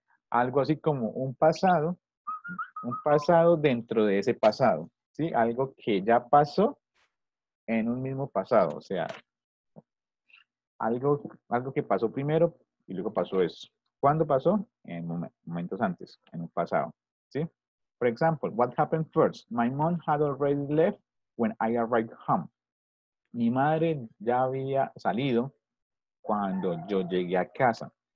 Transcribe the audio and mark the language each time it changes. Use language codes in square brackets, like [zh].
[es] Algo así como un pasado dentro de ese pasado, ¿sí? Algo que ya pasó en un mismo pasado, o sea, algo que pasó primero y luego pasó eso. ¿Cuándo pasó? En momentos antes, en un pasado, ¿sí? [en] For example, what happened first? My mom had already left when I arrived home. [es] Mi madre ya había salido cuando yo llegué a casa.